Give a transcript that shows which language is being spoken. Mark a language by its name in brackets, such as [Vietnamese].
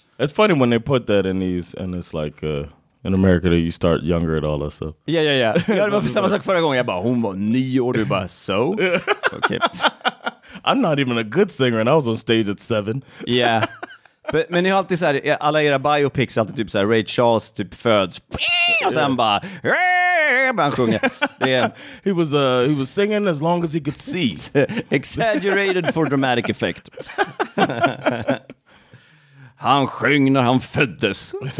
[English] It's funny when they put that in these, and it's like... In America, do you start younger at all that stuff? Yeah, yeah, yeah. [Swedish] Jag hade varit samma sak förra gången. Jag bara, hon var 9 år. Du bara, [English] so? Okay. I'm not even a good singer and I was on stage at 7. Yeah. [Swedish] Men ni har alltid så här, alla era biopics alltid typ så här, Ray Charles typ föds. Och sen bara han sjunger. [English] He was singing as long as he could see. Exaggerated for dramatic effect. [Swedish] Han sjöng när han föddes.